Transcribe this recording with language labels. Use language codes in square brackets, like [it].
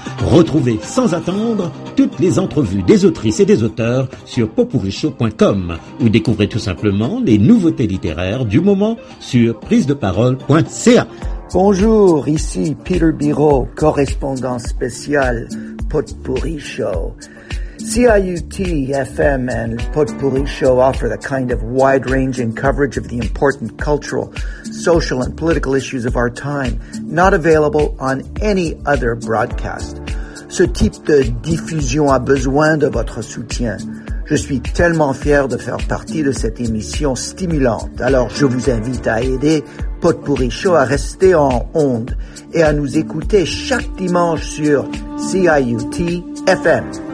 [fr] Retrouvez sans attendre toutes les entrevues des autrices et des auteurs sur popourrichaud.com ou découvrez tout simplement les nouveautés littéraires du moment sur prisedeparole.ca. Bonjour, ici Peter Biro, correspondant spécial Potpourri Show. [en] CIUT FM and Potpourri Show offer the kind of wide-ranging coverage of the important cultural, social, and political issues of our time, not available on any other broadcast. [fr] Ce type de diffusion a besoin de votre soutien. Je suis tellement fier de faire partie de cette émission stimulante. Alors, je vous invite à aider Potpourri Show à rester en onde et à nous écouter chaque dimanche sur CIUT FM.